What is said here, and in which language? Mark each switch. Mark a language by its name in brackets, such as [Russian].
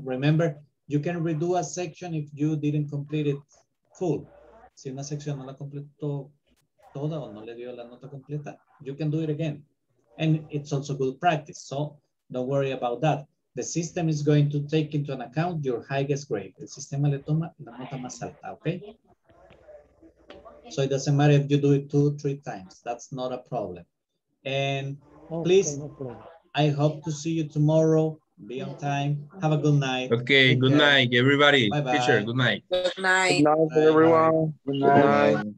[English] Remember, you can redo a section if you didn't complete it full. [Spanish] Si una sección no la completó toda o no le dio la nota completa, [English] you can do it again. And it's also good practice. So don't worry about that. The system is going to take into account your highest grade. [Spanish] El sistema le toma la nota más alta, okay? [English] So it doesn't matter if you do it 2-3 times. That's not a problem. And please, I hope to see you tomorrow. Be on time. Have a good night. Okay, good night, everybody. Bye-bye. Teacher, good night. Good night. Good night, everyone. Good night.